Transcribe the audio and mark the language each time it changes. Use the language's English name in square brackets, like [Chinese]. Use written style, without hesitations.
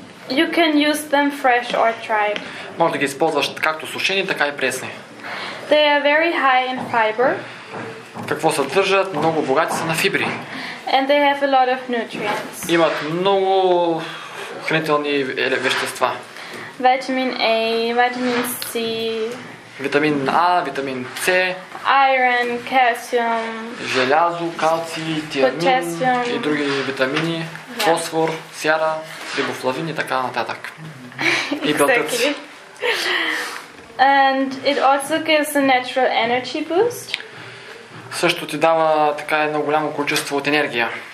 [English] You can use them fresh or dried. [Bulgarian] Може да ги използваш както сушени, така и пресни. [English] They are very high in fiber. [Bulgarian] Какво съдържат? Много богати са на фибри. [English] And they have a lot of nutrients. [Bulgarian] Имат много хранителни вещества. [English] Vitamin A, vitamin C. [Bulgarian] Витамин А, витамин С. [English] Iron, calcium. [Bulgarian] Желязо, калций, тиамин и други витамини. Yeah. Фосфор, сяра, рибофлавин и така нататък. И белтъци. [English] Exactly. And it also gives a natural energy boost. [Bulgarian] Също ти дава така едно голямо количество от енергия.